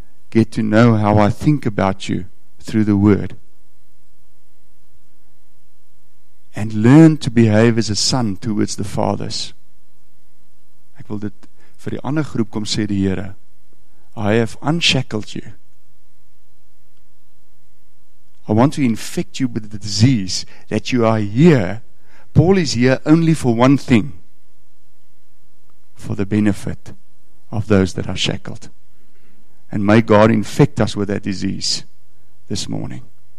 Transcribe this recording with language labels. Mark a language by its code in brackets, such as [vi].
[en] Get to know how I think about you through the word. And learn to behave as a son towards the fathers. [af] Ek wil dit vir die ander groep kom sê die Here. [en] I have unshackled you. I want to infect you with the disease that you are here. Paul is here only for one thing. For the benefit of those that are shackled. And may God infect us with that disease this morning.